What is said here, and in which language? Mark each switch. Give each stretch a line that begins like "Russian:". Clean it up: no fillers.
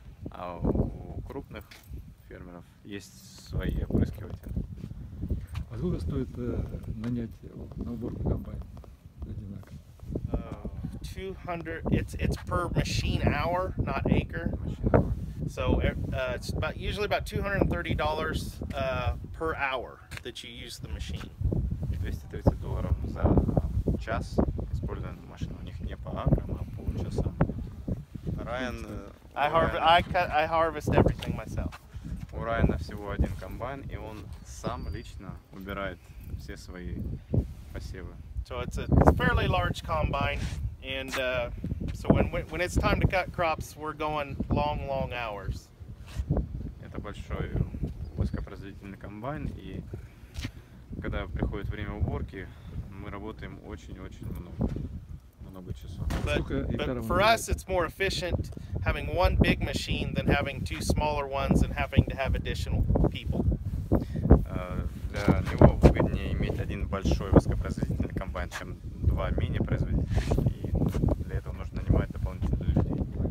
Russian: А у крупных фермеров есть свои опрыскиватели. А сколько стоит нанять на уборку комбайн одинаково?
English: 200, it's per machine hour, not acre. So it's about usually about $230 per hour that you use the machine.
Russian: $230 за час используем машину. У них не по акрам, а по часам.
English: Ryan, I harvest everything myself.
Russian: У Райана всего один комбайн, и он сам лично убирает все свои посевы.
English: So it's a fairly large combine, and so when it's time to cut crops, we're going long hours.
Russian: Это большой высокопроизводительный комбайн, и когда приходит время уборки, мы работаем очень много.
English: But for us, it's more efficient having one big machine than having two smaller ones and having to have additional people.
Russian: Для него выгоднее иметь один большой высокопроизводительный комбайн, чем два мини-производителя, и для этого нужно нанимать дополнительных людей.